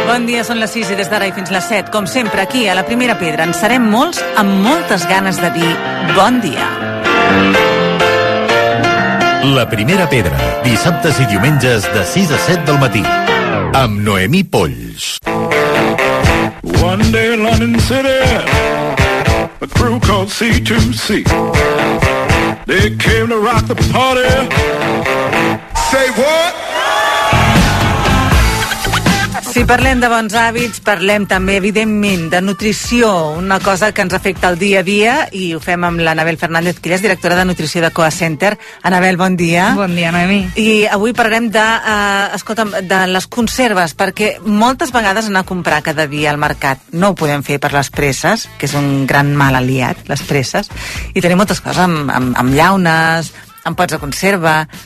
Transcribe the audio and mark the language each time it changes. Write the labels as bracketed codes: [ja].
[ca] ja són les 6 i des d'ara i fins les 7, com sempre, aquí, a la Primera Pedra, en serem molts amb moltes ganes de dir bon dia. La Primera Pedra, dissabtes i diumenges de 6 a 7 del matí, amb Noemí Polls. [en] One day in London City, a crew called C2C. They came to rock the party. Say what? [ca] Si parlem de bons hàbits, parlem també, evidentment, de nutrició, una cosa que ens afecta el dia a dia, i ho fem amb l'Anabel Fernández, que és directora de nutrició de Coa Center. Anabel, bon dia. Bon dia, Noemí. I avui parlem de, de les conserves, perquè moltes vegades anar a comprar cada dia al mercat no ho podem fer per les presses, que és un gran mal aliat, les presses, i tenim moltes coses amb llaunes, amb pots de conserva...